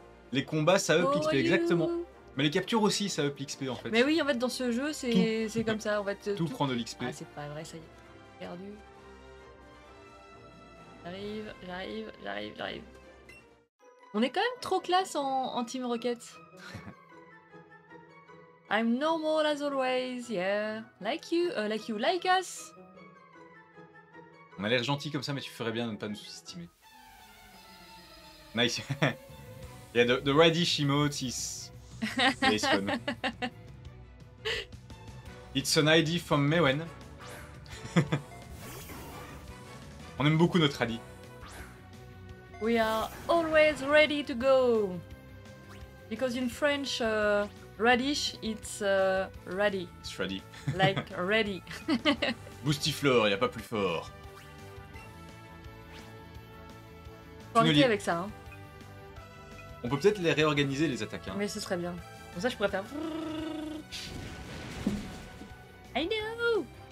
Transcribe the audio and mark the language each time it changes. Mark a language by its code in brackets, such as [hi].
[fr] Les combats, ça up XP, exactement. Mais les captures aussi, ça up XP en fait. Mais oui, en fait, dans ce jeu, c'est comme ça. En fait, tout prend de l'XP. Ah, c'est pas vrai, ça y est. Perdu. J'arrive. On est quand même trop classe en Team Rocket. [en] I'm normal as always, yeah. Like us. [fr] On a l'air gentil comme ça, mais tu ferais bien de ne pas nous sous-estimer. Nice. [en] Yeah, the radish emote is... It's an ID from Mewen. [fr] On aime beaucoup notre ID. [en] We are always ready to go. Because in French, radish, it's ready. It's ready. Like ready. [fr] Boostiflore, y a pas plus fort. Faut arrêter avec ça. Hein. On peut peut-être les réorganiser, les attaques. Hein. Mais ce serait bien. Comme ça, je pourrais faire... [en] I know.